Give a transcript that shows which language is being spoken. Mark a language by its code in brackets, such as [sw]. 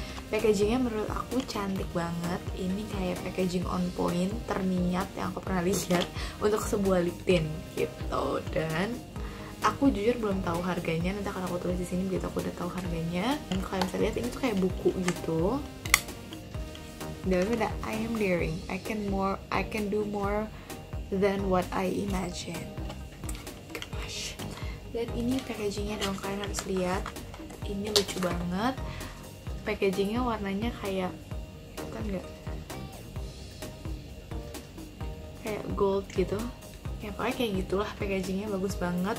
[id] Packagingnya menurut aku cantik banget. Ini kayak packaging on point terniat yang aku pernah lihat untuk sebuah lip tint gitu. Dan aku jujur belum tahu harganya, nanti akan aku tulis di sini begitu aku udah tahu harganya. Dan kalian bisa lihat ini tuh kayak buku gitu. Dan ada [en] I am daring, I can do more than what I imagine. Gosh. [id] Dan ini packagingnya dong, kalian harus lihat. Ini lucu banget. Packagingnya warnanya kayak, kan enggak? Kayak gold gitu. Ya pokoknya kayak gitulah, packagingnya bagus banget.